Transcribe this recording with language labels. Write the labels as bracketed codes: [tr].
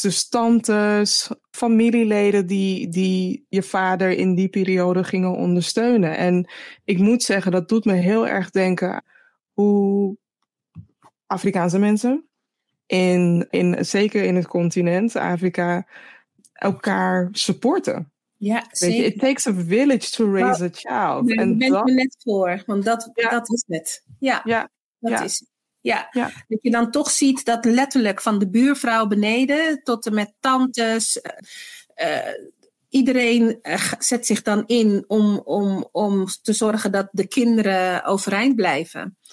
[nl] Dus tantes, familieleden die je vader in die periode gingen ondersteunen. En ik moet zeggen, dat doet me heel erg denken hoe Afrikaanse mensen, zeker in het continent Afrika, elkaar supporten. Ja, zeker. Weet je, [en] it takes a village to raise a child. [nl] Daar ben ik me net voor, want dat is het. Ja. Dat je dan toch ziet dat letterlijk van de buurvrouw beneden tot en met tantes, iedereen zet zich dan in om te zorgen dat de kinderen overeind blijven.